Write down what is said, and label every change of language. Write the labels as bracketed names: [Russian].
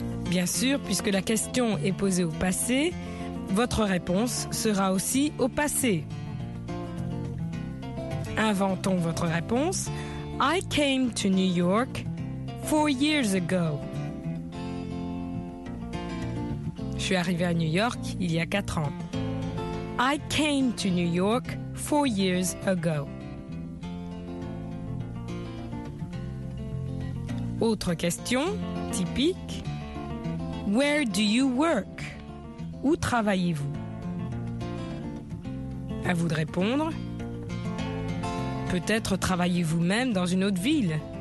[French] Bien sûr, puisque la question est posée au passé, votre réponse sera aussi au passé. Inventons votre réponse. « [English] I came to New York 4 years ago. [French] » Je suis arrivée à New York il y a 4 ans. [English] I came to New York 4 years ago. [French] Autre question typique. [English] Where do you work? [French] Où travaillez-vous? À vous de répondre. Peut-être travaillez-vous même dans une autre ville.